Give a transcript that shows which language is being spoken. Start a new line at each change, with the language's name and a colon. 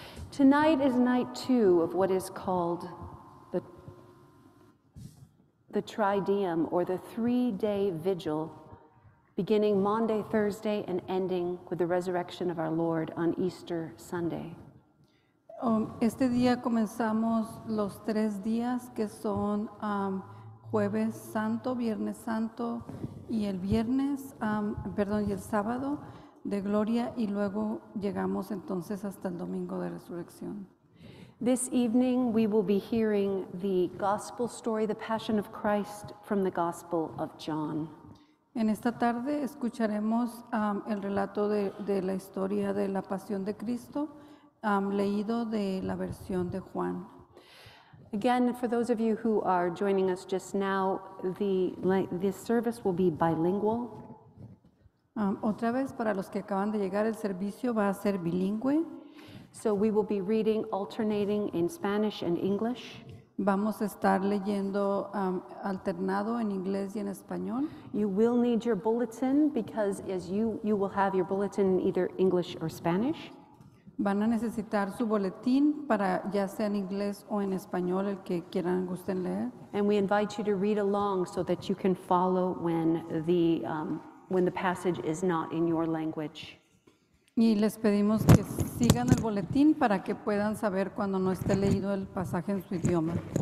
English: Tonight is night two of what is called the Tridiem, or the three-day vigil, beginning Monday, Thursday, and ending with the resurrection of our Lord on Easter Sunday.
Spanish: Este día comenzamos los tres días que son Jueves Santo, Viernes Santo, y el viernes, perdón, y el sábado de gloria, y luego llegamos entonces hasta el domingo de resurrección.
English: This evening we will be hearing the gospel story, the passion of Christ, from the Gospel of John.
Spanish: En esta tarde escucharemos el relato de la historia de la pasión de Cristo, leído de la versión de Juan.
English: Again, for those of you who are joining us just now, this service will be bilingual.
Spanish: Otra vez, para los que acaban de llegar, el servicio va a ser bilingüe.
English: So we will be reading, alternating in Spanish and English.
Spanish: Vamos a estar leyendo alternado en inglés y en español.
English: You will need your bulletin, because as you will have your bulletin in either English or Spanish.
Spanish: Van a necesitar su boletín para ya sea en inglés o en español el que quieran gusten leer.
English: And we invite you to read along so that you can follow when the passage is not in your language.
Spanish: Y les pedimos que sigan el boletín para que puedan saber cuando no esté leído el pasaje en su idioma.